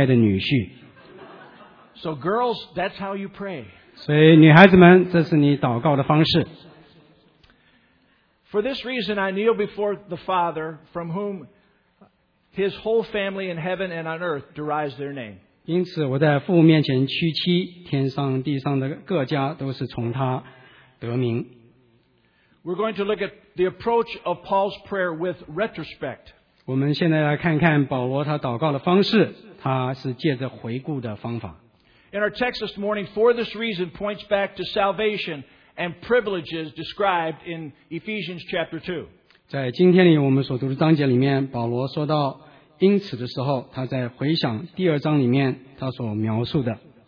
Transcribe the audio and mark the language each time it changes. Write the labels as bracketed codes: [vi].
[zh] 但在她祷告结束之前，她说：“千万要帮助我的母亲找到一个很帅的女婿。” [en] So girls, that's how you pray. [zh] 所以女孩子们，这是你祷告的方式。 [en] For this reason, I kneel before the Father, from whom His whole family in heaven and on earth derives their name. [zh] 因此，我在父面前屈膝，天上地上的各家都是从他得名。 [en] We're going to look at the approach of Paul's prayer with retrospect. [zh] 我们现在来看看保罗他祷告的方式，他是借着回顾的方法。 [en] In our text this morning, for this reason, points back to salvation. And privileges described in Ephesians chapter 2. [zh] 在今天里我们所读的章节里面，保罗说到因此的时候，他在回想第二章里面他所描述的。